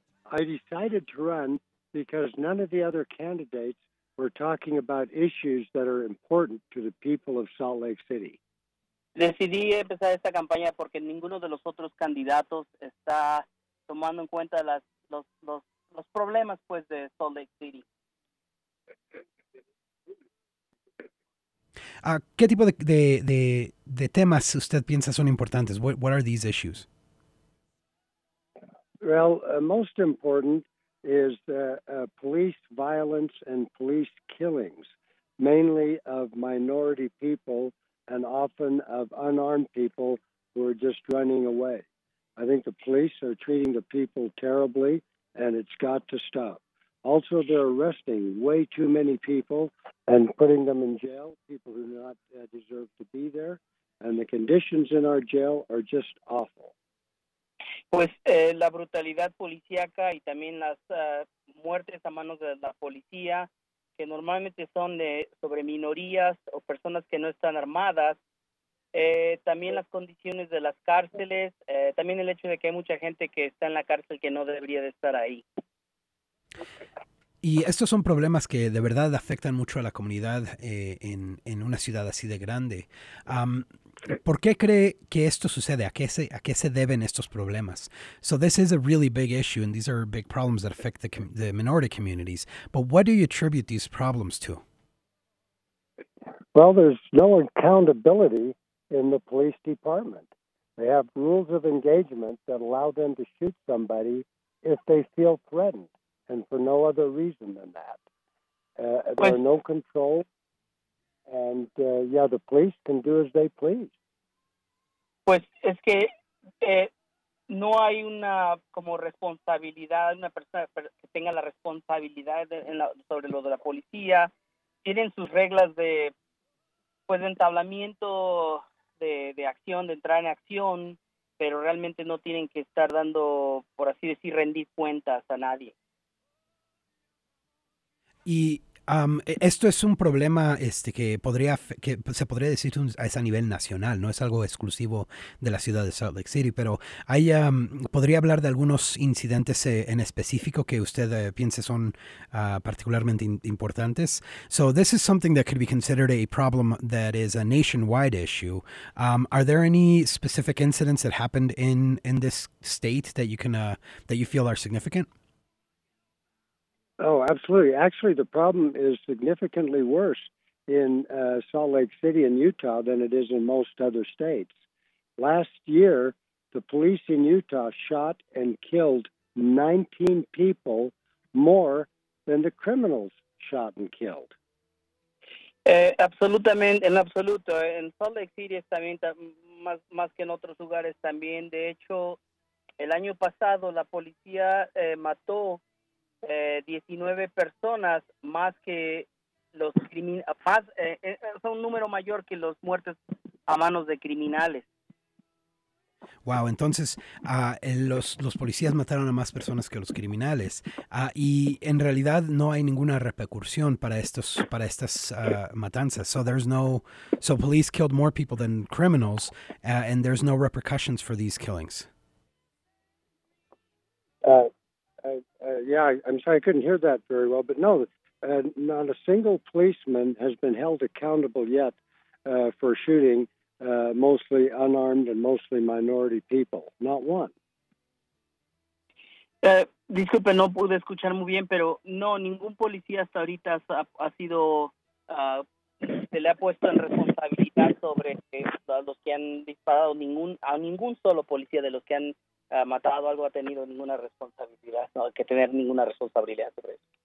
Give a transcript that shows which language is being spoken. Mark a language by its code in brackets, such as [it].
[en] I decided to run because none of the other candidates were talking about issues that are important to the people of Salt Lake City. [es] Decidí empezar esta campaña porque ninguno de los otros candidatos está tomando en cuenta los problemas, pues, de Salt Lake City. ¿Qué tipo de temas usted piensa son importantes? [en] What are these issues? Well, most important is police violence and police killings, mainly of minority people and often of unarmed people who are just running away. I think the police are treating the people terribly, and it's got to stop. Also, they're arresting way too many people and putting them in jail, people who do not deserve to be there. And the conditions in our jail are just awful. [es] Pues la brutalidad policíaca y también las muertes a manos de la policía, que normalmente son sobre minorías o personas que no están armadas. También las condiciones de las cárceles, también el hecho de que hay mucha gente que está en la cárcel que no debería de estar ahí. Y estos son problemas que de verdad afectan mucho a la comunidad en una ciudad así de grande. ¿Por qué cree que esto sucede? ¿A qué se deben estos problemas? [en] So this is a really big issue, and these are big problems that affect the minority communities. But what do you attribute these problems to? Well, there's no accountability in the police department. They have rules of engagement that allow them to shoot somebody if they feel threatened, and for no other reason than that. There are no controls. And yeah, the police can do as they please. [es] Pues es que no hay una como responsabilidad, una persona que tenga la responsabilidad sobre lo de la policía. Tienen sus reglas de, pues, entablamiento de acción, de entrar en acción, pero realmente no tienen que estar dando, por así decir, rendir cuentas a nadie. Y esto es un problema que se podría decir es a nivel nacional, no es algo exclusivo de la ciudad de Salt Lake City, pero hay ¿podría hablar de algunos incidentes en específico que usted piense son particularmente importantes? [en] So this is something that could be considered a problem that is a nationwide issue. Are there any specific incidents that happened in this state that you can that you feel are significant? Oh, absolutely. Actually, the problem is significantly worse in Salt Lake City in Utah than it is in most other states. Last year, the police in Utah shot and killed 19 people more than the criminals shot and killed. [es] Absolutamente, en absoluto. En Salt Lake City es también más que en otros lugares también. De hecho, el año pasado la policía mató 19 personas más que los criminales, son un número mayor que los muertos a manos de criminales. Wow, entonces los policías mataron a más personas que los criminales. Y en realidad no hay ninguna repercusión para estas matanzas. [en] So police killed more people than criminals, and there's no repercussions for these killings. Yeah, I'm sorry, I couldn't hear that very well, but no, not a single policeman has been held accountable yet for shooting mostly unarmed and mostly minority people. Not one. [es] Disculpe, no pude escuchar muy bien, pero no, ningún policía hasta ahorita se le ha puesto en responsabilidad sobre los que han disparado, a ningún solo policía de los que han matado algo ha tenido ninguna responsabilidad, no hay que tener ninguna responsabilidad sobre eso.